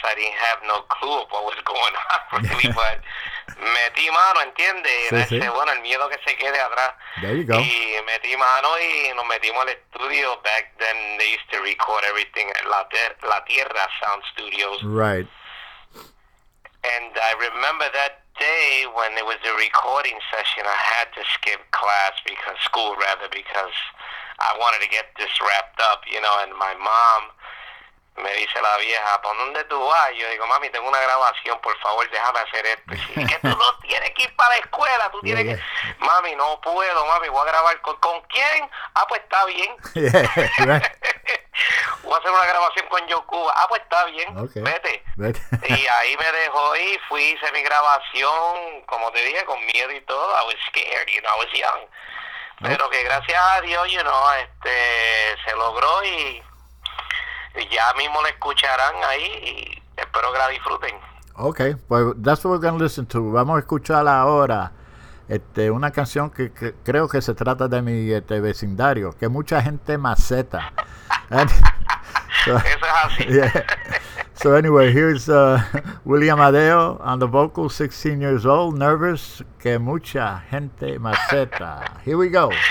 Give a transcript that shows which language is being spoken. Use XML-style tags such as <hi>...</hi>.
<en>I didn't have no clue of what was going on, really, but</en> <es>metí mano, ¿entiendes?</es> <en>and I said,</en> <es>bueno, el miedo que se quede atrás.</es> <en>There you go.</en> <es>Y metí mano y nos metimos al estudio.</es> <en>Back then, they used to record everything at La Tierra Sound Studios. Right. And I remember that day when it was a recording session, I had to skip class, because I wanted to get this wrapped up, you know. And my mom,</en> <es>me dice la vieja, ¿por dónde tú vas? Yo digo, mami, tengo una grabación, por favor, déjame hacer esto. Y que tú no tienes que ir para la escuela, tú tienes que... Mami, no puedo, mami, voy a grabar. ¿Con quién? Ah, pues está bien. Voy a hacer una grabación con Yokuba. Ah, pues está bien, okay. Vete. Y ahí me dejó y fui, hice mi grabación, como te dije, con miedo y todo.</es> <en>I was scared, you know, I was young.</en> <es>Pero que gracias a Dios, you know, se logró y ya mismo le escucharán ahí y espero que la disfruten.</es> <en>Okay, well, that's what we're going to listen to.</en> <es>Vamos a escuchar ahora una canción que creo que se trata de mi vecindario, que mucha gente maceta. Eso es así.</es> <en>Yeah. So anyway, here's Willie Amadeo on the vocals, 16 years old, nervous,</en> <es>que mucha gente maceta.</es> <en>Here we go.</en>